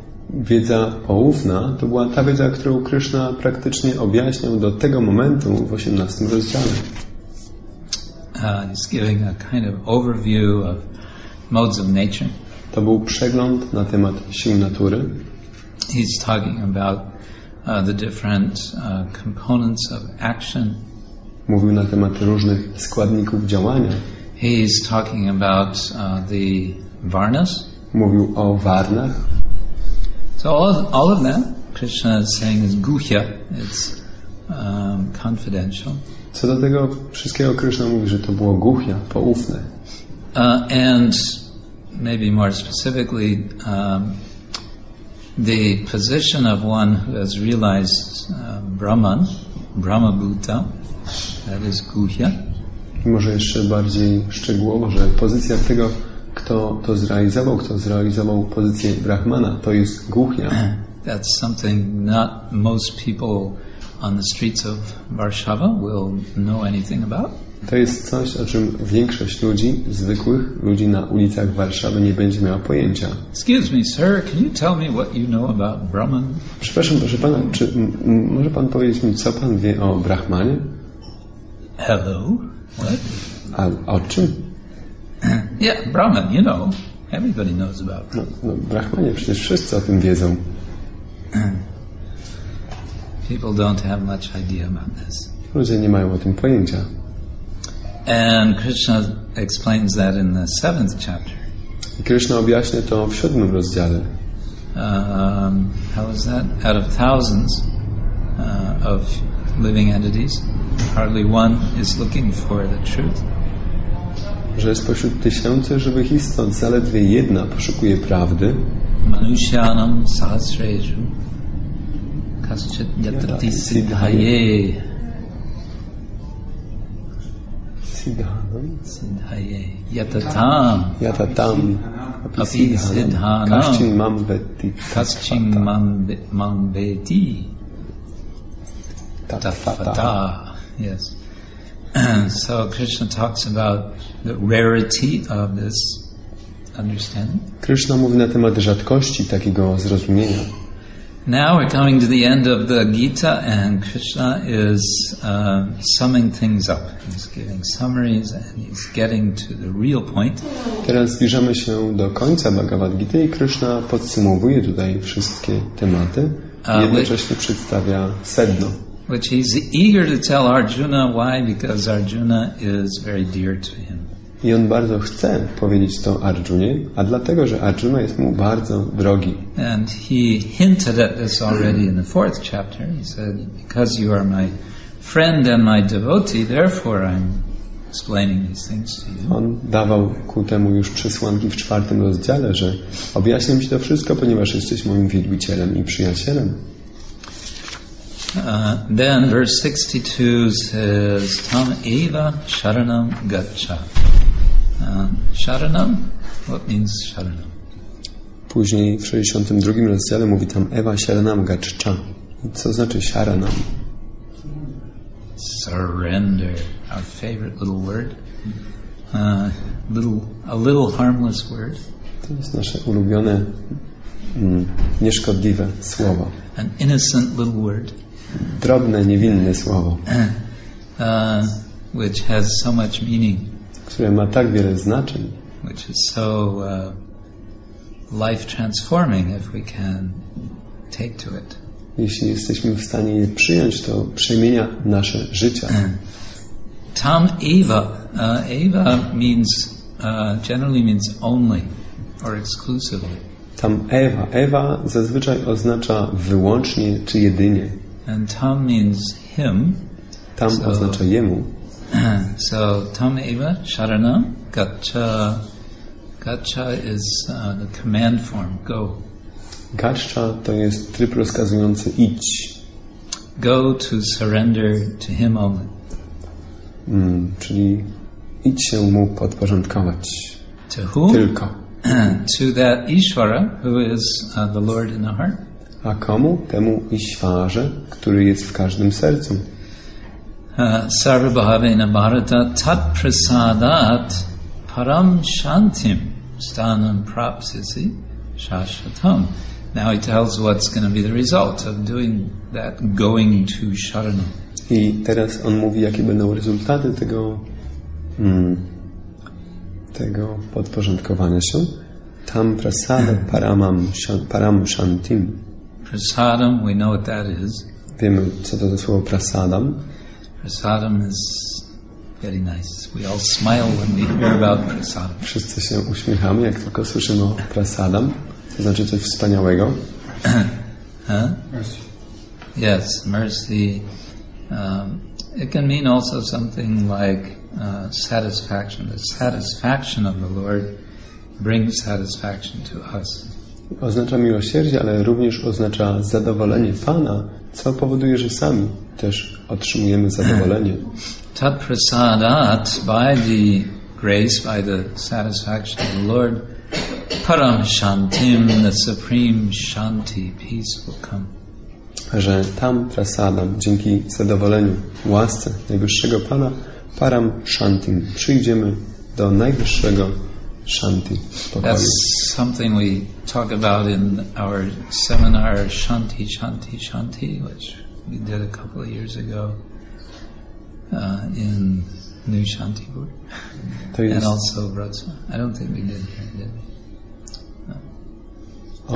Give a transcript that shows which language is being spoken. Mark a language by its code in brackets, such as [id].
[pl] Wiedza poufna to była ta wiedza, którą Krishna praktycznie objaśniał do tego momentu w 18 rozdziale. [en] He's giving a kind of overview of modes of nature. [pl] To był przegląd na temat sił natury. [en] He's talking about the different components of action. [pl] Mówił na temat różnych składników działania. [en] He's talking about the varnas. [pl] Mówił o varnach. [en] So all of that Krishna is saying is guhya, it's confidential. [pl] Co do tego wszystkiego Krishna mówi, że to było guhya, poufne. [en] And maybe more specifically, the position of one who has realized Brahman, Brahma-bhuta, that is guhya. [pl] I może jeszcze bardziej szczegółowo, że pozycja tego, kto zrealizował pozycję Brahmana, to jest guhya. [en] That's something not most people on the streets of Warszawa will know anything about. [pl] To jest coś, o czym większość ludzi, zwykłych ludzi na ulicach Warszawy, nie będzie miała pojęcia. [en] Excuse me, sir, can you tell me what you know about Brahman? [pl] Przepraszam, proszę pana, czy może pan powiedzieć mi, co pan wie o Brahmanie? [en] Hello, what? [pl] A o czym? [en] Yeah, Brahman, you know. Everybody knows about Brahman. [pl] No, Brahmanie, przecież wszyscy o tym wiedzą. [en] People don't have much idea about this. [pl] Ludzie nie mają o tym pojęcia. [en] And Krishna explains that in the 7th chapter. [pl] I Krishna objaśnia to w 7 rozdziale. [en] How is that? Out of thousands of living entities, hardly one is looking for the truth. [pl] Że spośród tysięcy żywych istot zaledwie jedna poszukuje prawdy. [sa] Manushyanam sahasreju kaschit yatrati siddhaye. Siddhaye yatatam. Yatatam api siddhanam kaschin mambeti. Kaschin mambeti tatfata. [en] Yes. So Krishna talks about the rarity of this understanding. [pl] Krishna mówi na temat rzadkości takiego zrozumienia. [en] Now we're coming to the end of the Gita, and Krishna is summing things up. He's giving summaries, and he's getting to the real point. [pl] Teraz zbliżamy się do końca Bhagavad Gita i Krishna podsumowuje tutaj wszystkie tematy i jednocześnie przedstawia sedno. [en] Which he's eager to tell Arjuna. Why? Because Arjuna is very dear to him. [pl] I on bardzo chce powiedzieć to Arjunie, a dlatego, że Arjuna jest mu bardzo drogi. [en] And he hinted at this already in the fourth chapter. He said, because you are my friend and my devotee, therefore I'm explaining these things to you. [pl] On dawał ku temu już przesłanki w czwartym rozdziale, że objaśniam ci to wszystko, ponieważ jesteś moim wielbicielem i przyjacielem. [en] Then verse 62 says, [sa] Tam eva sharanam gacha. [en] Sharanam, what means sharanam? [pl] Później w 62 rozdziale mówi [sa] tam eva sharanam gacha. [pl] Co znaczy sharanam? [en] Surrender, our favorite little word. A little harmless word. [pl] To jest nasze ulubione, nieszkodliwe słowo. [en] An innocent little word. [pl] Drobne, niewinne słowo, [en] which has so much meaning, [pl] które ma tak wiele znaczeń, [en] which is so life transforming if we can take to it. [pl] Jeśli jesteśmy w stanie je przyjąć, to przemienia nasze życie. [sa] Tam eva, [en] eva means generally means only or exclusively. [sa] Tam eva, [pl] eva zazwyczaj oznacza wyłącznie czy jedynie. [en] And tam means him. [pl] Tam so, oznacza jemu. [sa] So tam eva sharanam gacha. [en] Gacha is the command form. Go. [pl] Gacha to jest tryb rozkazujący idź. [en] Go to surrender to him only. [pl] Czyli idź się mu podporządkować. [en] To whom? [pl] Tylko. [en] To that Ishvara, who is the Lord in the heart. [pl] A komu? Temu Ishvarze, który jest w każdym sercu. [sa] Sarvabhavena Bharata tat prasadat param shantim stanam prapsisi shashvatam. [en] Now he tells what's going to be the result of doing that, going to sharanam. [pl] I teraz on mówi, jakie będą rezultaty tego tego podporządkowania się. [sa] Tam prasada paramam param shantim. [en] Prasadam, we know what that is. [pl] Wiemy, co to za słowo prasadam. [en] Prasadam is very nice. We all smile when we hear about prasadam. [pl] Wszyscy się uśmiechamy, jak tylko słyszymy o prasadam. To znaczy coś wspaniałego. [en] Mercy. Yes, mercy. It can mean also something like satisfaction. The satisfaction of the Lord brings satisfaction to us. [pl] Oznacza miłosierdzie, ale również oznacza zadowolenie Pana, co powoduje, że sami też otrzymujemy zadowolenie. [sa] Tat prasadat, [en] by the grace, by the satisfaction of the Lord, [sa] param shantim, [en] the supreme shanti, peace will come. [pl] Że [sa] tam prasadam, [pl] dzięki zadowoleniu, łasce najwyższego Pana, [sa] param shantim, [pl] przyjdziemy do najwyższego Shanti, [en] that's something we talk about in our seminar, Shanti, Shanti, Shanti, which we did a couple of years ago in New Shantipur, and also Vratsa. I don't think we did here, did we?